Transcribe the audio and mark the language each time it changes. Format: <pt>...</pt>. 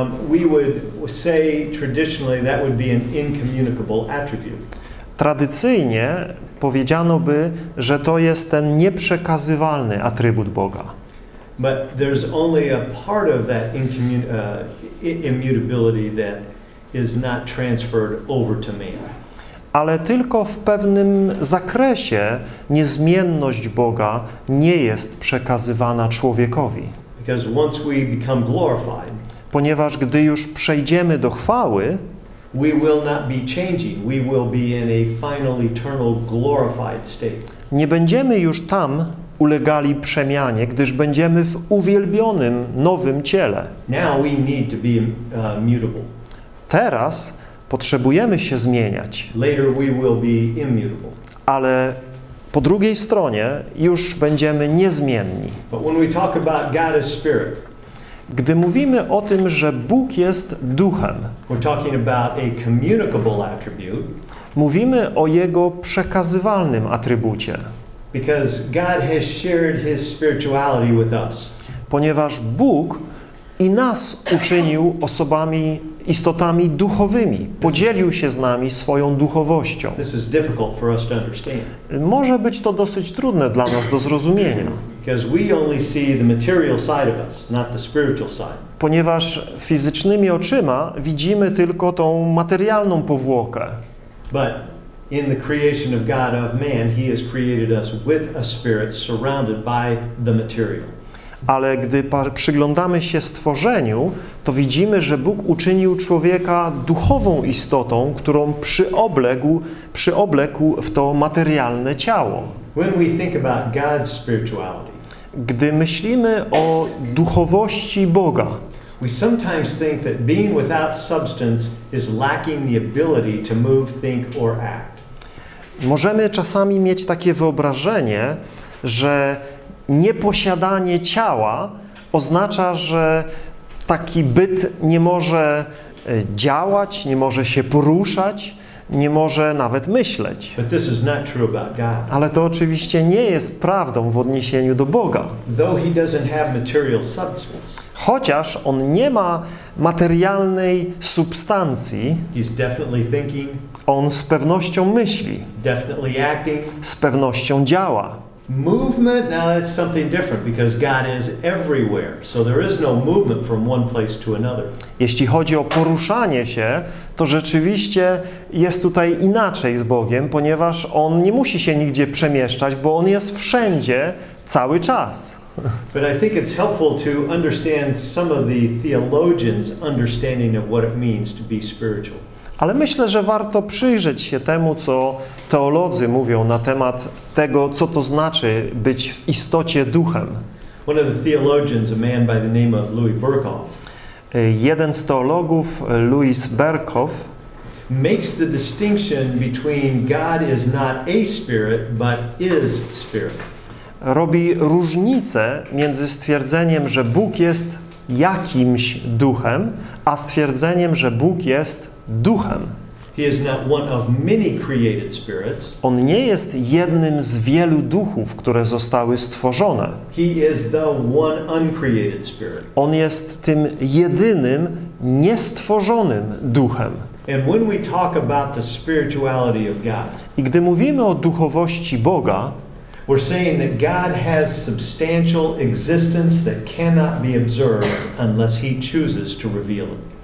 <en>We would say traditionally that would be an incommunicable attribute.</en> <pl>Tradycyjnie powiedziano by, że to jest ten nieprzekazywalny atrybut Boga.</pl> <en>But there's only a part of that immutability that is not transferred over to man.</en> <pl>Ale tylko w pewnym zakresie niezmienność Boga nie jest przekazywana człowiekowi.</pl> <en>Because once we become glorified,</en> <pl>ponieważ gdy już przejdziemy do chwały,</pl> <en>we will not be changing. We will be in a final, eternal, glorified state.</en> <pl>Nie będziemy już tam ulegali przemianie, gdyż będziemy w uwielbionym nowym ciele.</pl> <en>Now we need to be mutable.</en> <pl>Teraz potrzebujemy się zmieniać.</pl> <en>Later we will be immutable.</en> <pl>Ale po drugiej stronie już będziemy niezmienni.</pl> <en>But when we talk about God as spirit,</en> <pl>gdy mówimy o tym, że Bóg jest duchem,</pl> <en>we're talking about a communicable attribute,</en> <pl>mówimy o jego przekazywalnym atrybucie.</pl> <en>Because God has shared his spirituality with us.</en> <pl>Ponieważ Bóg i nas uczynił osobami, istotami duchowymi. Podzielił się z nami swoją duchowością.</pl> <en>This is difficult for us to understand.</en> <pl>Może być to dosyć trudne dla nas do zrozumienia.</pl> <en>Because we only see the material side of us, not the spiritual side.</en> <pl>Ponieważ fizycznymi oczyma widzimy tylko tą materialną powłokę.</pl> <en>But in the creation of God of man, he has created us with a spirit surrounded by the material.</en> <pl>Ale gdy przyglądamy się stworzeniu, to widzimy, że Bóg uczynił człowieka duchową istotą, którą przyoblekł w to materialne ciało.</pl> <en>When we think about God's spirituality,</en> <pl>gdy myślimy o duchowości Boga,</pl> <en>we sometimes think that being without substance is lacking the ability to move, think or act.</en> <pl>Możemy czasami mieć takie wyobrażenie, że nieposiadanie ciała oznacza, że taki byt nie może działać, nie może się poruszać, nie może nawet myśleć.</pl> <en>But this is not true about God.</en> <pl>Ale to oczywiście nie jest prawdą w odniesieniu do Boga.</pl> <en>Though he doesn't have material substance,</en> <pl>chociaż on nie ma materialnej substancji,</pl> <en>he's definitely thinking,</en> <pl>on z pewnością myśli,</pl> <en>definitely acting,</en> <pl>z pewnością działa.</pl> <en>Movement, now that's something different because God is everywhere. So there is no movement from one place to another.</en> <pl>Jeśli chodzi o poruszanie się, to rzeczywiście jest tutaj inaczej z Bogiem, ponieważ on nie musi się nigdzie przemieszczać, bo on jest wszędzie cały czas.</pl> <en>But I think it's helpful to understand some of the theologians' understanding of what it means to be spiritual.</en> <pl>Ale myślę, że warto przyjrzeć się temu, co teolodzy mówią na temat tego, co to znaczy być w istocie duchem.</pl> <en>One of the theologians, a man by the name of Louis Berkhof,</en> <pl>jeden z teologów, Louis Berkhof,</pl> <en>makes the distinction between God is not a spirit, but is spirit.</en> <pl>Robi różnicę między stwierdzeniem, że Bóg jest jakimś duchem, a stwierdzeniem, że Bóg jest duchem.</pl> <en>He is not one of many created spirits.</en> <pl>On nie jest jednym z wielu duchów, które zostały stworzone.</pl> <en>He is the one uncreated spirit.</en> <pl>On jest tym jedynym, niestworzonym duchem.</pl> <en>And when we talk about the spirituality of God,</en> <pl>i gdy mówimy o duchowości Boga,</pl> <en>we're saying that God has substantial existence that cannot be observed unless He chooses to reveal it.</en>